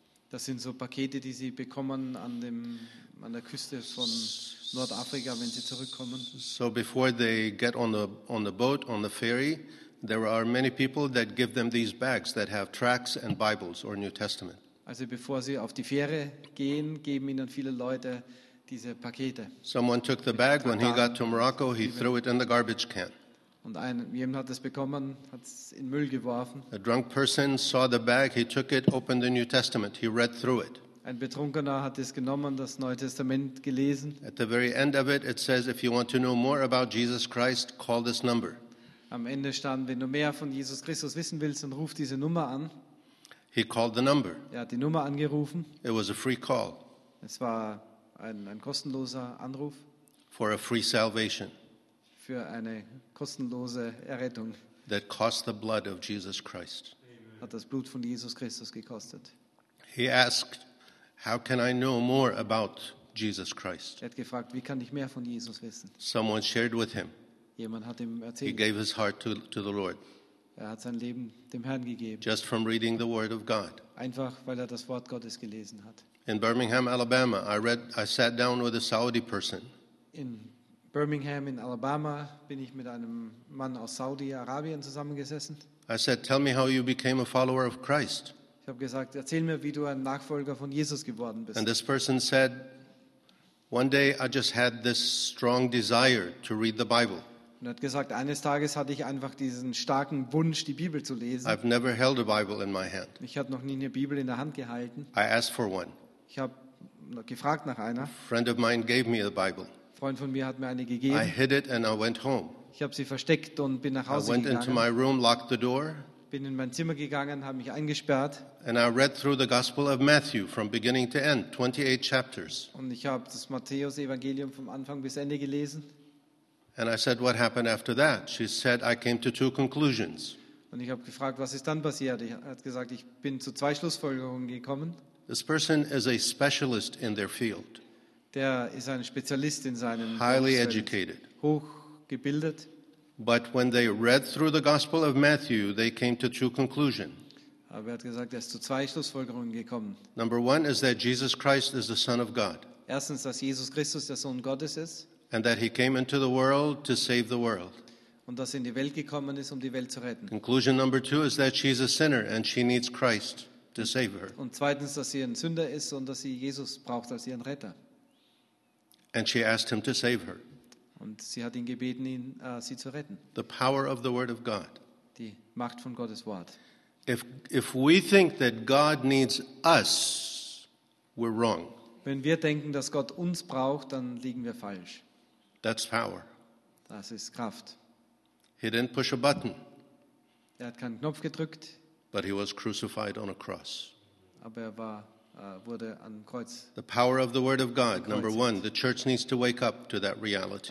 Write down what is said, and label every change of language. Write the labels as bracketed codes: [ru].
[de] Das sind so Pakete, die sie bekommen an der Küste von Nordafrika, wenn sie zurückkommen. [en] So before they get on the boat, on the ferry, there are many people that give them these bags that have tracts and Bibles or New Testament. [de] Also bevor sie auf die Fähre gehen, geben ihnen viele Leute diese Pakete. [en] Someone took the bag when he got to Morocco, he threw it in the garbage can. [de] Und jemand hat es bekommen, hat es in Müll geworfen. [en] A drunk person saw the bag, he took it, opened the New Testament, he read through it. [de] Ein Betrunkener hat es genommen, das Neue Testament gelesen. [en] At the very end of it, it says, if you want to know more about Jesus Christ, call this number. [de] Am Ende stand, wenn du mehr von Jesus Christus wissen willst, dann ruf diese Nummer an. [en] He called the number. [de] Er hat die Nummer angerufen. [en] It was a free call. [de] Es war ein kostenloser Anruf. [en] For a free salvation. [de] Für eine kostenlose Errettung. [en] That cost the blood of Jesus Christ. Amen. [de] Hat das Blut von Jesus Christus gekostet. [en] He asked, how can I know more about Jesus Christ? [de] Er hat gefragt, wie kann ich mehr von Jesus wissen? [en] Someone shared with him. [de] Jemand hat ihm erzählt. [en] He gave his heart to the Lord. [de] Er hat sein Leben dem Herrn gegeben. [en] Just from reading the Word of God. [de] Einfach, weil er das Wort Gottes gelesen hat. [en] In Birmingham, Alabama, I sat down with a Saudi person. [de] In Birmingham, in Alabama, bin ich mit einem Mann aus Saudi-Arabien zusammengesessen. [en] I said, tell me how you became a follower of Christ. [de] Ich habe gesagt, erzähl mir, wie du ein Nachfolger von Jesus geworden bist. [en] And this person said, one day I just had this strong desire to read the Bible. [de] Und hat gesagt, eines Tages hatte ich einfach diesen starken Wunsch, die Bibel zu lesen. [en] I've never held a Bible in my hand. [de] Ich habe noch nie eine Bibel in der Hand gehalten. [en] I asked for one. [de] Ich habe gefragt nach einer. [en] A friend of mine gave me a Bible. [de] Ein Freund von mir hat mir eine gegeben. [en] I hid it and I went home. [de] Ich habe sie versteckt und bin nach Hause gegangen. [en] I went into my room, locked the door. [de] Bin in mein Zimmer gegangen, habe mich eingesperrt. [en] And I read through the Gospel of Matthew from beginning to end, 28 chapters. [de] Und ich habe das Matthäus-Evangelium vom Anfang bis Ende gelesen. [en] And I said, what happened after that? She said, I came to two conclusions. [de] Und ich habe gefragt, was ist dann passiert? Er hat gesagt, ich bin zu zwei Schlussfolgerungen gekommen. [en] This person is a specialist in their field. [de] Der ist ein Spezialist in seinem Feld. [en] Highly educated. [de] Hochgebildet. [en] But when they read through the Gospel of Matthew, they came to two conclusions. [de] Aber er hat gesagt, er ist zu zwei Schlussfolgerungen gekommen. [en] Number one is that Jesus Christ is the Son of God. [de] Erstens, dass Jesus Christus der Sohn Gottes ist. [en] And that he came into the world to save the world. [de] Und dass er in die Welt gekommen ist, um die Welt zu retten. [en] Conclusion number two is that she's a sinner and she needs Christ to save her. [de] Und zweitens, dass sie ein Sünder ist und dass sie Jesus braucht als ihren Retter. [en] And she asked him to save her. [de] Und sie hat ihn gebeten, sie zu retten. [en] The power of the word of God. [de] Die Macht von Gottes Wort. [en] If we think that God needs us, we're wrong. [de] Wenn wir denken, dass Gott uns braucht, dann liegen wir falsch. [en] That's power. [de] Das ist Kraft. [en] He didn't push a button. [de] Er hat keinen Knopf gedrückt. [en] But he was crucified on a cross. [de] Aber er war, wurde an Kreuz. [en] The power of the word of God, number one. The church needs to wake up to that reality.